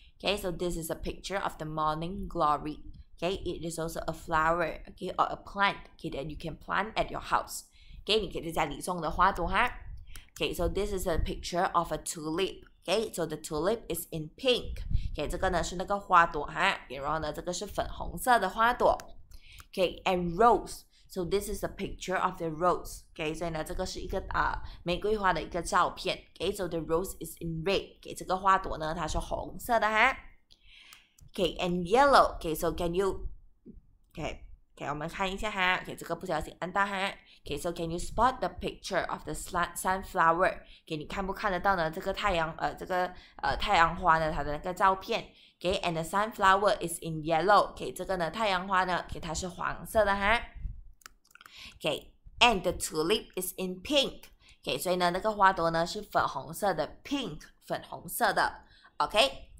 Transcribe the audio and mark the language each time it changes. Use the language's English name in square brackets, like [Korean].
[English] Okay, so this is a picture of the morning glory. Okay, it is also a flower, okay, or a plant, okay, that you can plant at your house. [Chinese] Okay, 你可以在家里种的花朵哈。 [English] Okay, so this is a picture of a tulip. Okay, so the tulip is in pink. [Chinese] Okay, 这个呢是那个花朵哈，然后呢这个是粉红色的花朵。 [English] Okay, and rose. So this is a picture of the rose. [Chinese] Okay, 所以呢这个是一个玫瑰花的一个照片。 [English] Okay, so the rose is in red. Okay, [Chinese] 这个花朵呢它是红色的哈。 [English] Okay, and yellow. Okay, so can you... Okay, [Chinese] 我们看一下哈。 Okay, 这个不小心按到哈。 [English] Okay, so can you spot the picture of the sunflower? [Chinese] Okay, 你看不看得到呢这个太阳太阳花呢它的那个照片。 [English] Okay, and the sunflower is in yellow. Okay, [Chinese] 这个呢太阳花呢okay, 它是黄色的哈。 Okay, [English] and the tulip is in pink. [Chinese] Okay, 所以呢那个花朵呢是粉红色的 pink, 粉红色的。Okay?